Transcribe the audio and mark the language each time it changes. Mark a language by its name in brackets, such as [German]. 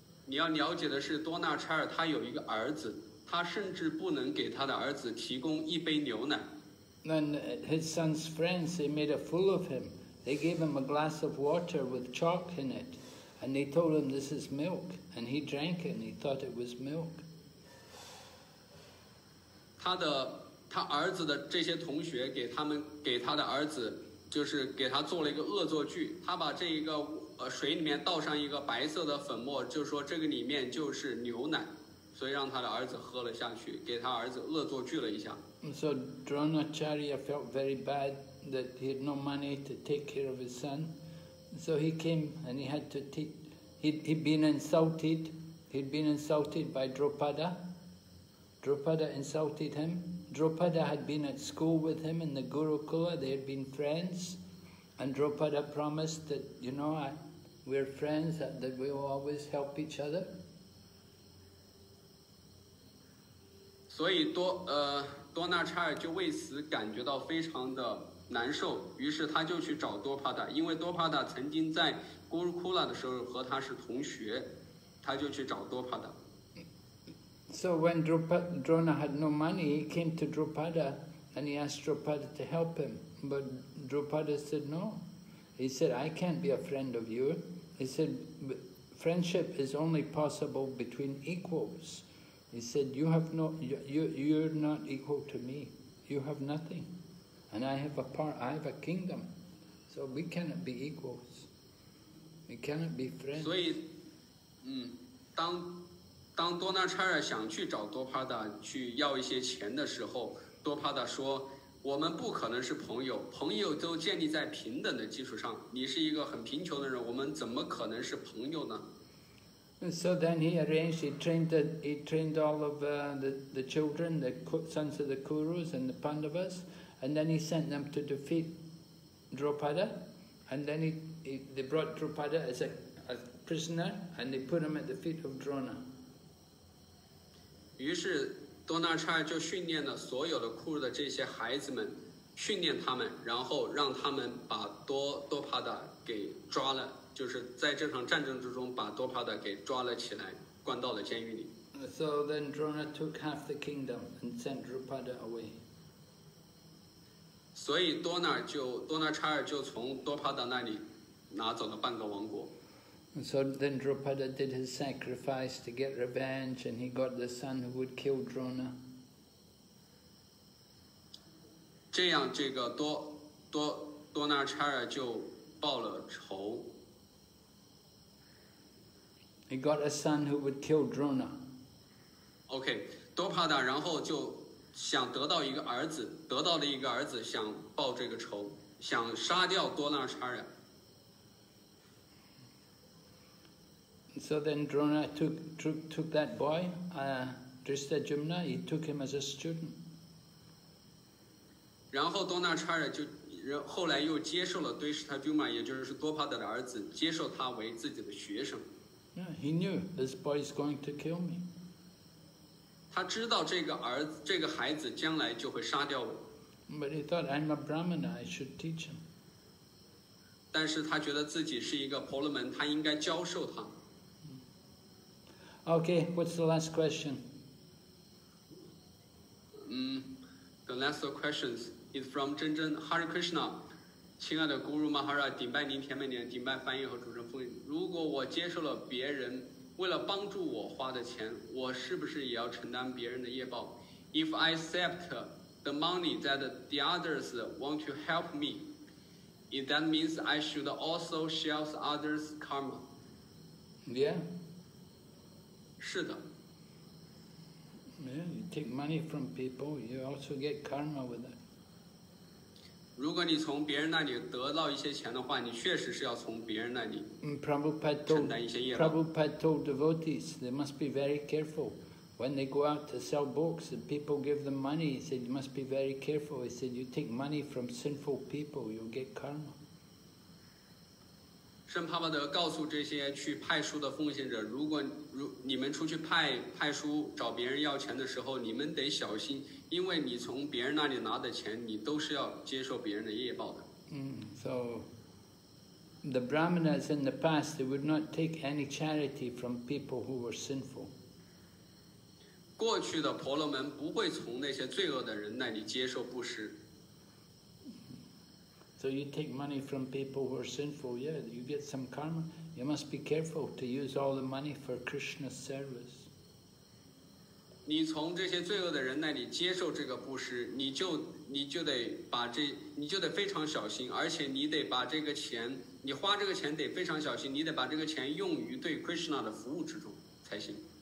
[Chinese] 你要了解的是 Dona Acharya 他有一个儿子，他甚至不能给他的儿子提供一杯牛奶。 [English] And his son's friends, they made a fool of him. They gave him a glass of water with chalk in it, and they told him this is milk, and he drank it, and he thought it was milk. [Chinese] 他儿子的这些同学给他的儿子，就是给他做了一个恶作剧。他把这一个水里面倒上一个白色的粉末，就说这个里面就是牛奶。所以让他的儿子喝了下去，给他儿子恶作剧了一下。 [English] So Dronacharya felt very bad that he had no money to take care of his son. So he came and he had to he'd been insulted by Draupada. Draupada insulted him. Draupada had been at school with him in the Gurukula, they had been friends. And Draupada promised that, you know, we're friends, that we will always help each other. [Chinese] 所以多纳查尔就为此感觉到非常的难受，于是他就去找多帕达，因为多帕达曾经在古鲁库拉的时候和他是同学，他就去找多帕达。 [English] So when Drona had no money, he came to Draupada and he asked Draupada to help him. But Draupada said no. He said, I can't be a friend of you. He said, friendship is only possible between equals. He said, you have no, you're not equal to me. You have nothing. And I have a kingdom. So we cannot be equals. We cannot be friends. [Chinese] 所以，当多纳查尔想去找多帕达去要一些钱的时候，多帕达说：“我们不可能是朋友，朋友都建立在平等的基础上。你是一个很贫穷的人，我们怎么可能是朋友呢？” [English] And so then he arranged. He trained all of the children, the sons of the Kurus and the Pandavas, and then he sent them to defeat Draupada. And then they brought Draupada as a prisoner, and they put him at the feet of Drona. [Chinese] 于是多纳查尔就训练了所有的库鲁的这些孩子们，训练他们，然后让他们把多帕达给抓了，就是在这场战争之中把多帕达给抓了起来，关到了监狱里。 [English] So then Drona took half the kingdom and sent Draupada away. [Chinese] 所以多纳查尔就从多帕达那里拿走了半个王国。 [English] And so then Draupada did his sacrifice to get revenge, and he got the son who would kill Drona. [Chinese] 这样，这个多纳查尔就报了仇。 [English] He got a son who would kill Drona. [Chinese] Okay, 多帕达然后就想得到一个儿子，得到了一个儿子，想报这个仇，想杀掉多纳查尔。 [English] So then Drona took that boy, Dhrishtadyumna, he took him as a student. [Chinese] 然后多纳查尔就后来又接受了 Dhrishtadyumna, 也就是多帕达的儿子，接受他为自己的学生。 [English] Yeah, he knew this boy is going to kill me. [Chinese] 他知道这个孩子将来就会杀掉我。 [English] But he thought, I'm a Brahmana, I should teach him. [Chinese] 但是他觉得自己是一个婆罗门，他应该教授他。 [English] Okay, what's the last question? The last question is from Zhen Zhen Hare Krishna. [Chinese] 亲爱的 Guru Maharaj, 顶拜您甜美脸，顶拜翻译和主持人风云。如果我接受了别人为了帮助我花的钱，我是不是也要承担别人的业报？ [English] If I accept the money that the others want to help me, that means I should also share others' karma. Yeah. [Chinese] 是的。 [English] Yeah, you take money from people, you also get karma with it. [Chinese] 如果你从别人那里得到一些钱的话，你确实是要从别人那里承担一些业务。 [English] Prabhupada told devotees, they must be very careful. When they go out to sell books, and people give them money, he said, you must be very careful. He said, you take money from sinful people, you'll get karma. [Chinese] 圣帕巴德告诉这些去派书的奉献者，如果你们出去派书找别人要钱的时候，你们得小心，因为你从别人那里拿的钱，你都是要接受别人的业报的。 [English] So the Brahmanas in the past, they would not take any charity from people who were sinful. [Chinese] 过去的婆罗门不会从那些罪恶的人那里接受布施。 [English] So you take money from people who are sinful, yeah, you get some karma. You must be careful to use all the money for Krishna's service. [Chinese] 你从这些罪恶的人那里接受这个布施，你就得非常小心，而且你得把这个钱，你花这个钱得非常小心，你得把这个钱用于对 Krishna 的服务之中才行。